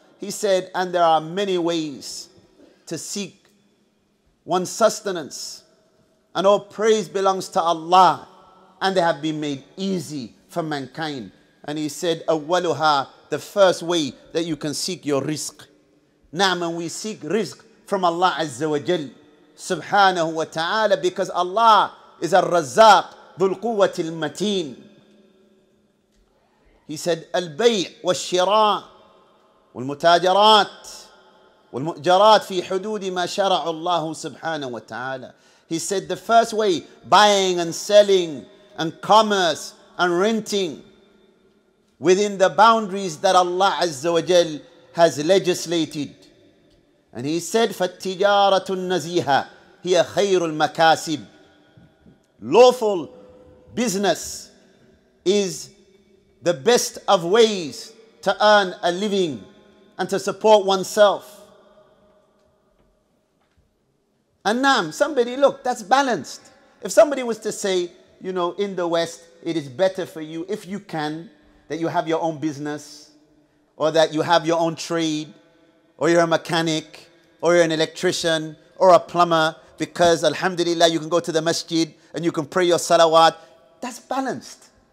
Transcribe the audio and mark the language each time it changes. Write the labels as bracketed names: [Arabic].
[English] He said, and there are many ways to seek one's sustenance, and all praise belongs to Allah, and they have been made easy for mankind. And he said, [Arabic] أَوَّلُهَا, [English] the first way that you can seek your rizq. Naam, and we seek rizq from Allah Azza wa Jal, Subhanahu wa Ta'ala, because Allah is al-Razzaq, [Arabic] ذُلْقُوَّةِ الْمَتِينَ. [English] He said, [Arabic] البيع والشراء والمتاجرات والمؤجرات في حدود ما شرع الله سبحانه وتعالى. [English] He said, the first way, buying and selling and commerce and renting within the boundaries that Allah Azza wa Jal has legislated. And he said, [Arabic] فَالتِّجَارَةُ النَّزِيهَا هِيَ خَيْرُ الْمَكَاسِبِ. [English] Lawful business is the best of ways to earn a living and to support oneself. And naam, somebody, look, that's balanced. If somebody was to say, you know, in the West, it is better for you, if you can, that you have your own business, or that you have your own trade, or you're a mechanic, or you're an electrician, or a plumber, because alhamdulillah, you can go to the masjid and you can pray your salawat. That's balanced.